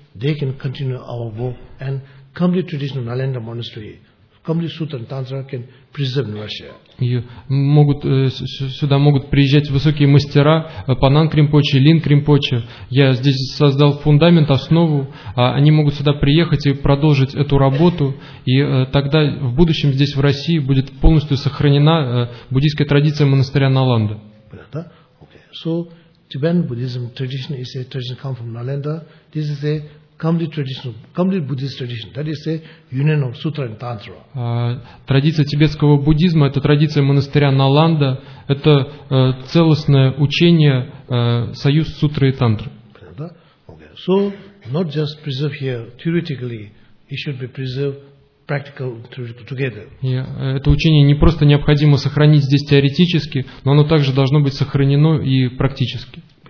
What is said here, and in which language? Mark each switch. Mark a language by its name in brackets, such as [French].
[English] They can continue our work and complete traditional Nalanda Monastery, complete Sutra and Tantra can preserve in Russia. [Russian] Сюда могут приезжать высокие мастера Пананг Ринпоче, Линг Ринпоче. Я здесь создал фундамент, основу. Они могут сюда приехать и продолжить эту работу. И тогда в будущем здесь, в России, будет полностью сохранена буддийская традиция монастыря Наланда. [English] Okay. So, Tibetan Buddhism tradition is a tradition come from Nalanda. This is a complete traditional, complete Buddhist tradition. That is a union of sutra and tantra. [Russian] Традиция тибетского буддизма – это традиция монастыря Наланда. Это целостное учение, союз сутры и тантры. [English] Okay. So, not just preserve here theoretically, it should be preserved practical together. [Russian] Это учение не просто необходимо сохранить здесь теоретически, но оно также должно быть сохранено и практически.